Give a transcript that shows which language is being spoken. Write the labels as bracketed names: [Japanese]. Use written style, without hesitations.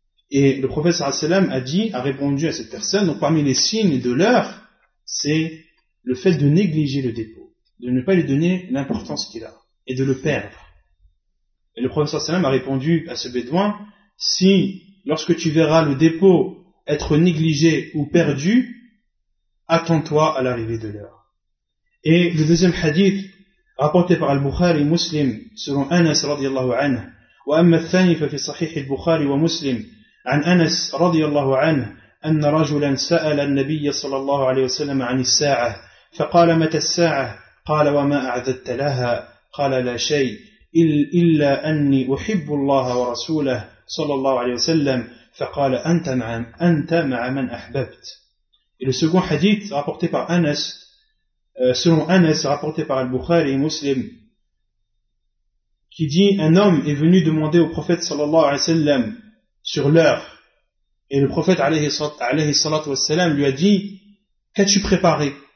[French] Et le prophète sallallahu alayhi wa sallam a répondu à cette personne, donc parmi les signes de l'heure, c'est le fait de négliger le dépôt, de ne pas lui donner l'importance qu'il a, et de le perdre. Et le prophète sallallahu alayhi wa sallam a répondu à ce bédouin, si lorsque tu verras le dépôt être négligé ou perdu, attends-toi à l'arrivée de l'heure. Et le deuxième hadith, rapporté par Al-Bukhari et Muslim, selon Anas radiallahu anhu, [Arabic] « Wa amma thani fa fi sahih al-Bukhari wa Muslim » عن أنس رضي الله عنه أن رجلا سأل النبي صلى الله عليه وسلم عن الساعة فقال متى الساعة؟ قال وما أعددت لها؟ قال لا شيء إلا أني أحب الله ورسوله صلى الله عليه وسلم فقال أنت مع من أحببت. [French] Et le second hadith rapporté par Anas, selon Anas rapporté par Al-Bukhari et Muslim, qui dit: un homme est venu demander au prophète صلى الله عليه وسلم sur l'heure. Et le prophète, alayhi salatu wassalam, lui a dit, qu'as-tu préparé?